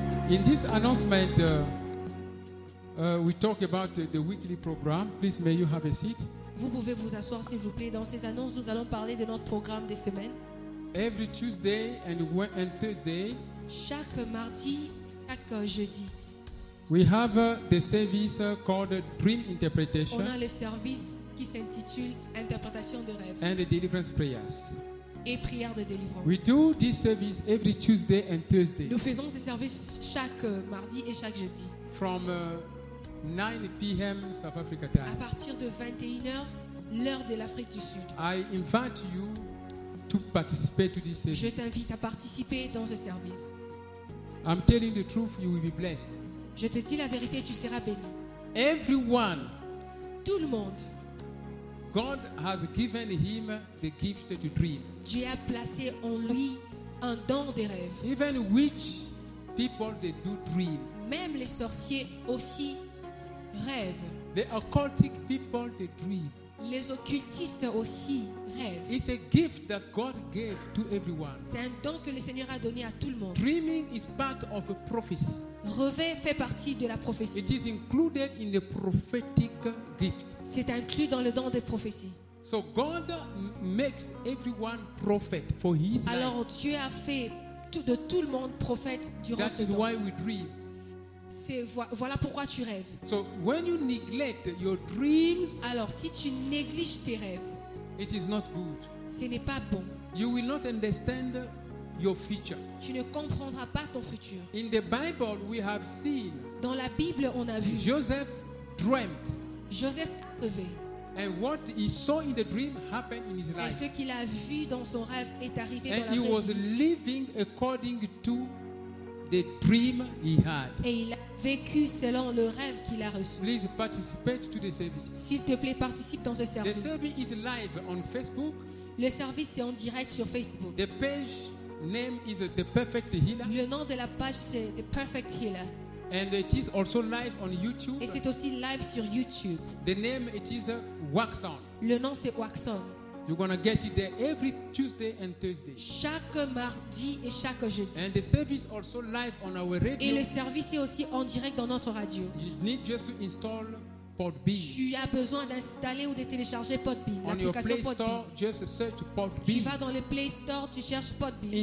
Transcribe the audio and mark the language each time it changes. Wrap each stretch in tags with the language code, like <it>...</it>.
<en>In this announcement, we talk about the weekly program. Please, may you have a seat.</en> <fr>Vous pouvez vous asseoir, s'il vous plaît. Dans ces annonces, nous allons parler de notre programme des semaines.</fr> <en>Every Tuesday and Thursday.</en> <fr>Chaque mardi, chaque jeudi.</fr> <en>We have the service called Dream Interpretation.</en> <fr>On a le service qui s'intitule Interprétation de rêve.</fr> <en>And the Deliverance Prayers.</en> <fr>Et prières de délivrance.</fr> <en>We do this service every Tuesday and Thursday.</en> <fr>Nous faisons ces services chaque mardi et chaque jeudi.</fr> <en>From 9 p.m. South Africa time.</en> <fr>À partir de 21h, l'heure de l'Afrique du Sud.</fr> <en>I invite you to participate to this service.</en> <fr>Je t'invite à participer dans ce service.</fr> <en>I'm telling the truth, you will be blessed.</en> <fr>Je te dis la vérité, tu seras béni.</fr> <en>Everyone,</en> <fr>tout le monde.</fr> <en>God has given him the gift to dream.</en> <fr>Dieu a placé en lui un don des rêves.</fr> <en>Even witch people, they do dream.</en> <fr>Même les sorciers aussi rêvent.</fr> <en>The occultic people, they dream.</en> <fr>Les occultistes aussi rêvent.</fr> <en>It's a gift that God gave to everyone.</en> <fr>C'est un don que le Seigneur a donné à tout le monde.</fr> <en>Dreaming is part of a prophecy.</en> <fr>Rêver fait partie de la prophétie.</fr> <en>It is included in the prophetic gift.</en> <fr>C'est inclus dans le don des prophéties.</fr> <en>So God makes everyone prophet for his life.</en> <fr>Alors Dieu a fait de tout le monde prophète durant ce temps.</fr> <en>That is why we dream.</en> <fr>Voilà pourquoi tu rêves.</fr> <en>So when you neglect your dreams,</en> <fr>alors si tu négliges tes rêves,</fr> <en>it is not good.</en> <fr>Ce n'est pas bon.</fr> <en>You will not understand your future.</en> <fr>Tu ne comprendras pas ton futur.</fr> <en>In the Bible, we have seen.</en> <fr>Dans la Bible, on a vu.</fr> <en>Joseph dreamt.</en> <fr>Joseph a rêvé.</fr> <en>And what he saw in the dream happened in his life.</en> <fr>Et ce qu'il a vu dans son rêve est arrivé dans la vraie vie.</fr> <en>And he was living according to the dream he had.</en> <fr>Et il a vécu selon le rêve qu'il a reçu.</fr> <en>Please participate to the service.</en> <fr>S'il te plaît, participe dans ce service.</fr> <en>The service is live on Facebook.</en> <fr>Le service est en direct sur Facebook.</fr> <en>The page name is The Perfect Healer.</en> <fr>Le nom de la page c'est The Perfect Healer.</fr> <en>And it is also live on YouTube.</en> <fr>Et c'est aussi live sur YouTube.</fr> <en>The name it is Waxon.</en> <fr>Le nom c'est Waxon.</fr> <en>You're gonna get it there every Tuesday and Thursday.</en> <fr>Chaque mardi et chaque jeudi.</fr> <en>And the service also live on our radio.</en> <fr>Et le service est aussi en direct dans notre radio.</fr> <en>You need just to install Podbean.</en> <fr>Tu as besoin d'installer ou de télécharger Podbean, on l'application Play Store, Podbean.</fr> <en>Just search Podbean.</en> <fr>Tu vas dans le Play Store, tu cherches Podbean.</fr>